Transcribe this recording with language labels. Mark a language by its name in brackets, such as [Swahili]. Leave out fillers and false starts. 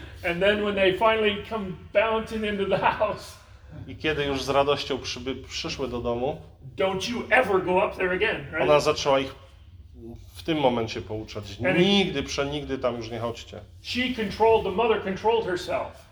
[English] And then when they finally come bouncing into the house, [Polish] i kiedy już z radością przyszły do domu, [English] don't you ever go up there again, right? [Polish] Ona zaczęła ich w tym momencie pouczać: nigdy, przenigdy tam już nie chodźcie. [English] She controlled, the mother controlled herself.